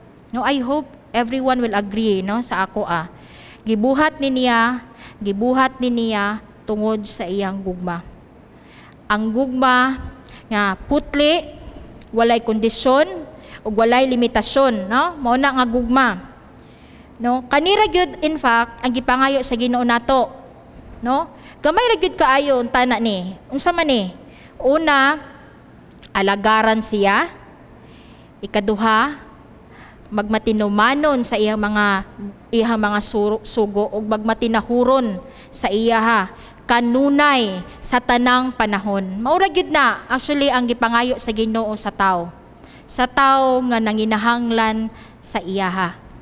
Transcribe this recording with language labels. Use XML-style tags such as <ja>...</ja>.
<en>No, I hope everyone will agree, no,</en> <ceb>sa ako ah. Gibuhat niya tungod sa iyang gugma. Ang gugma nga putli, walay kondisyon ug walay limitasyon, no? Mao na nga gugma. No, kanira gyud in fact ang gipangayo sa Ginoo nato. No? Gamay ra gyud kaayo unta na ni. Unsa man ni? Una, alagaran siya. Ikaduha, magmatinumanon sa iyang mga sugo ug magmatinahuron sa iya ha. Kanunay sa tanang panahon. Maura gyud na actually ang gipangayo sa Ginoo sa tao. Sa tao nga nanginahanglan sa iya ha.</ceb>